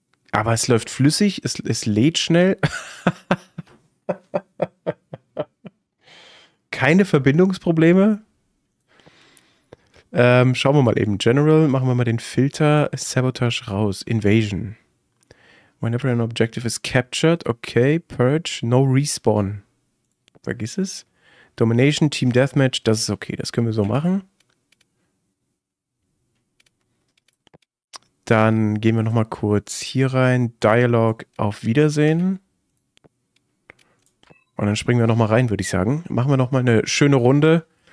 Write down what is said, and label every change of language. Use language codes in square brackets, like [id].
[de] Aber es läuft flüssig, es lädt schnell. Keine Verbindungsprobleme. Schauen wir mal eben. General, machen wir mal den Filter Sabotage raus. [en] Invasion. Whenever an objective is captured, okay, purge, no respawn. [de] Vergiss es. Domination, Team Deathmatch, das ist okay, das können wir so machen. Dann gehen wir nochmal kurz hier rein, Dialog, auf Wiedersehen. Und dann springen wir nochmal rein, würde ich sagen. Machen wir nochmal eine schöne Runde.